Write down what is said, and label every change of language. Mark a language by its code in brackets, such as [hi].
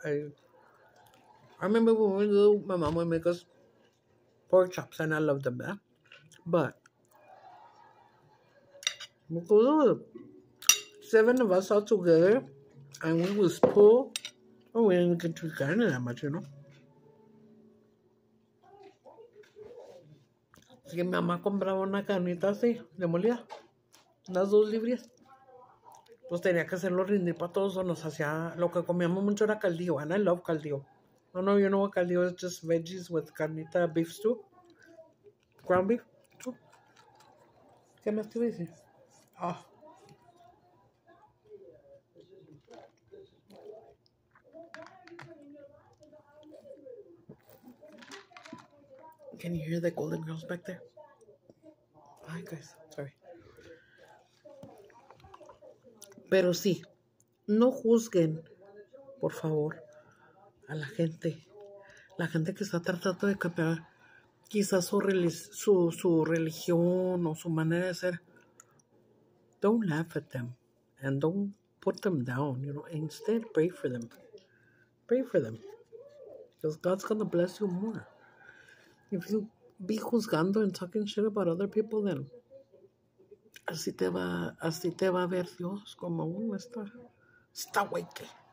[en] I remember when we do, my mom would make us pork chops, and I love them, yeah? But, because seven of us all together, and we was poor, and we didn't get to eat carne that much, you know? [es] Así que mi mamá compraba una carnita así, de molida. Unas 2 libras. Pues tenía que hacerlo rindir para todos. O nos hacía, lo que comíamos mucho era caldillo. [en] And I love caldillo. No, no, you know what caldillo is? Just veggies with carnita, beef stew. Ground beef. [es] ¿Qué más te voy a decir? [en] Can you hear the Golden Girls back there? Hi, guys. Sorry. [es] Pero sí, no juzguen, por favor, a la gente. La gente que está tratando de cambiar quizás su religión o su manera de ser. [en] Don't laugh at them and don't put them down, you know. Instead, pray for them. Pray for them. Because God's going to bless you more. If you be [es] juzgando [en] and talking shit about other people, then [es] así te va a ver Dios como uno está hueque.